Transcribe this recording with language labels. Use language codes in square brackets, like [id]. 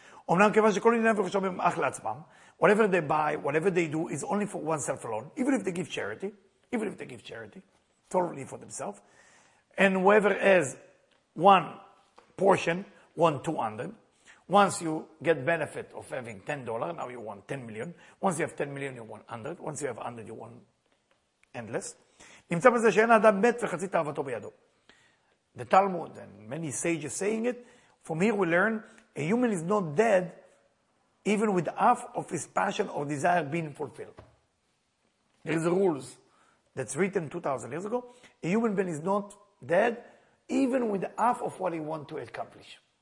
[he] אמנם כיוון שכל עניין וחשוב הם אך לעצמם, [en] whatever they buy, whatever they do, is only for oneself alone, even if they give charity, even if they give charity, totally for themselves. And whoever has one portion, want 200. Once you get benefit of having $10, now you want 10 million. Once you have 10 million, you want 100. Once you have 100, you want endless. [he] נמצא בזה שאין האדם מת וחצי תאוותו בידו. [en] The Talmud and many sages saying it, from here we learn, a human is not dead even with half of his passion or desire being fulfilled. There is a rule that's written 2,000 years ago. A human being is not dead even with half of what he wants to accomplish.